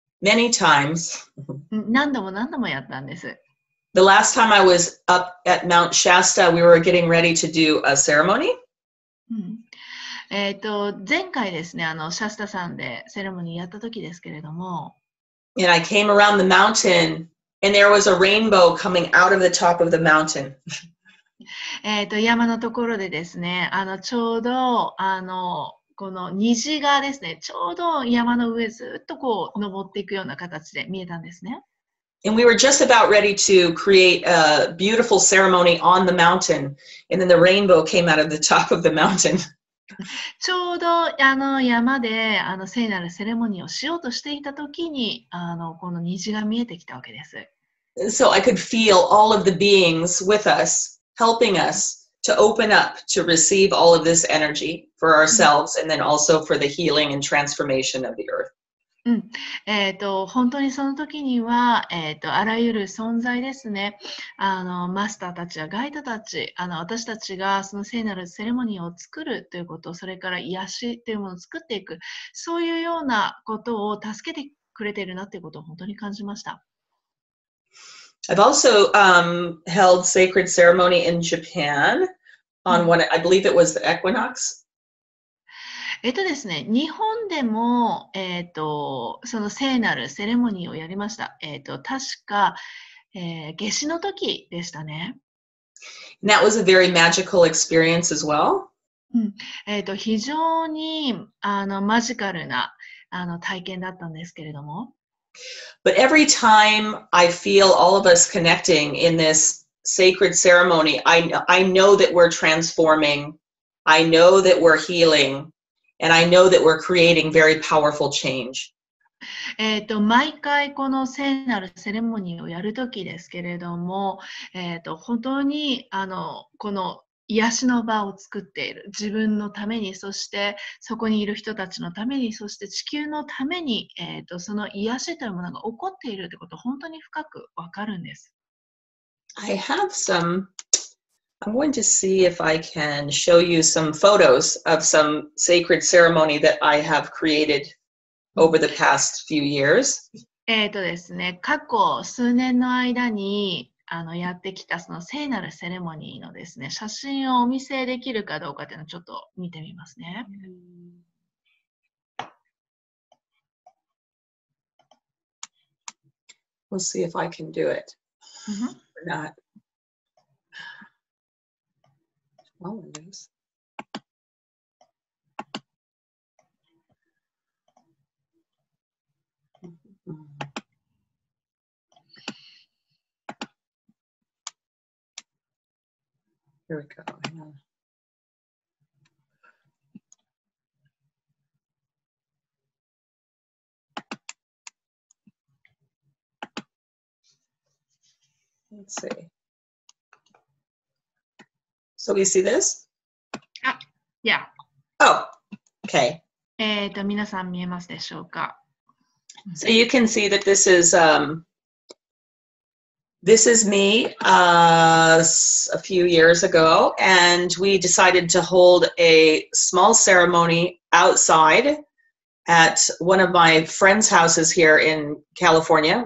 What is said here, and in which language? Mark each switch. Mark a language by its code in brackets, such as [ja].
[en] Many times. [ja] 何度も何度もやったんです。 [en] The last time I was up at Mount Shasta, we were getting ready to do a ceremony. [ja] 前回ですね、シャスタさんでセレモニーやった時ですけれども。 [en] And I came around the mountain, and there was a rainbow coming out of the top of the mountain. [ja] 山のところでですね、ちょうど、この虹がですね、ちょうど山の上ずっとこう登っていくような形で見えたんですね。 [en] And we were just about ready to create a beautiful ceremony on the mountain, and then the rainbow came out of the top of the mountain. [ja] ちょうど山で聖なるセレモニーをしようとしていた時にこの虹が見えてきたわけです。 [en] So I could feel all of the beings with us, helping us. To open up to receive all of this energy for ourselves and then also for the healing and transformation of the earth. [ja] 本当にその時には、あらゆる存在ですね、マスターたちやガイドたち、私たちがその聖なるセレモニーを作るということ、それから癒しというものを作っていく、そういうようなことを助けてくれているなということを本当に感じました。 [en] I've also held sacred ceremony in Japan on one, I believe it was the equinox. [ja] ですね、日本でも、その聖なるセレモニーをやりました。確か、夏至の時でしたね。 [en] And that was a very magical experience as well. [ja] 非常にマジカルな体験だったんですけれども。 [en] But every time I feel all of us connecting in this sacred ceremony, I know that we're transforming, I know that we're healing, and I know that we're creating very powerful change. [ja] 毎回この聖なるセレモニーをやるときですけれども、本当にこの癒しの場を作っている自分のためにそしてそこにいる人たちのためにそして地球のために、その癒しというものが起こっているということを本当に深く分かるんです。 [en] I have some I'm going to see if I can show you some photos of some sacred ceremony that I have created over the past few years. [ja] ですね、過去数年の間にやってきたその聖なるセレモニーのですね、写真をお見せできるかどうかというのをちょっと見てみますね。 [en] We'll see if I can do it. Or not. Oh, it is. Here we go. Hang on. Let's see. So we see this? Yeah. Oh, okay. [ja] 皆さん見えますでしょうか? [en] So you can see that this is me a few years ago, and we decided to hold a small ceremony outside at one of my friends' houses here in California.